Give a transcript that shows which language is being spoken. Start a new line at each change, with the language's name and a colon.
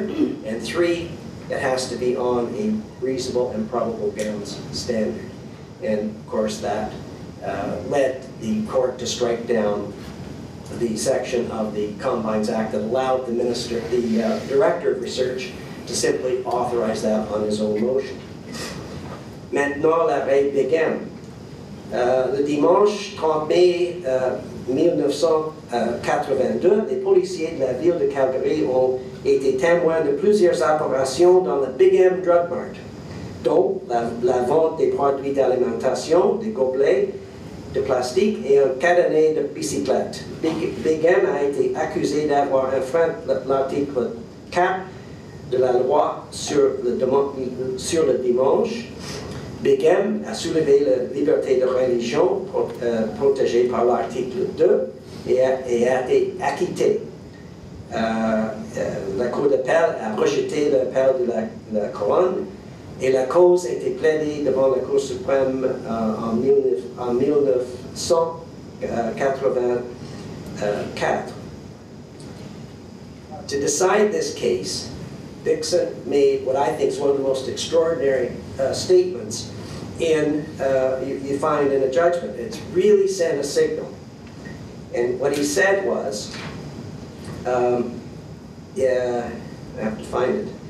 English: And three, it has to be on a reasonable and probable grounds standard. And of course, that led the court to strike down the section of the Combines Act that allowed the minister, the director of research, to simply authorize that on his own motion.
French: Maintenant, la règle began. Le dimanche 30 mai 1982, les policiers de la ville de Calgary ont été témoins de plusieurs opérations dans le Big M Drug Mart, dont la vente des produits d'alimentation, des gobelets de plastique et un cadenas de bicyclette. Big M a été accusé d'avoir enfreint l'article 4 de la loi sur le dimanche. Big M a soulevé la liberté de religion protégée par l'article 2 et a été acquitté. La Cour d'appel a rejeté l'appel de la couronne et la cause a été plaidée devant la Cour suprême en 1984.
English: To decide this case, Dixon made what I think is one of the most extraordinary statements in you find in a judgment. It's really sent a signal. And what he said was, I have to find it.